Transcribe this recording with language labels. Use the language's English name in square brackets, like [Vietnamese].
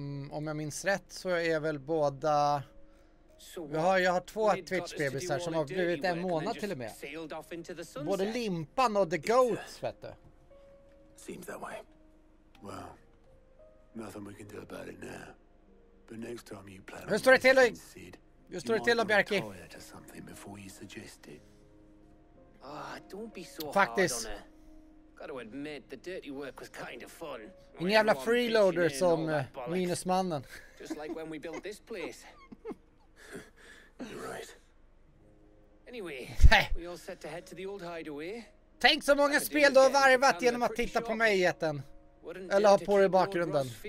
[Swedish] om jag minns rätt så är jag väl båda... Jag har två Twitch-bebisar som har blivit en månad till och med. Både Limpan och The Goats, vet du. [English] Seems that way. Well, nothing we can do about it now. But next time you plan... [Swedish] Hur står det till, Bjarki? [English] Before you suggest it. Ah, don't be so hard on her. Gotta admit, the dirty work was kind of fun. [Swedish] En jävla freeloader som minusmannen. [English] Just like when we built this place. You're right. Anyway, we all set to head to the old hideaway. [Swedish] Tänk så många spel du har varvat genom att titta på mig, Jätten. Eller ha på dig i bakgrunden.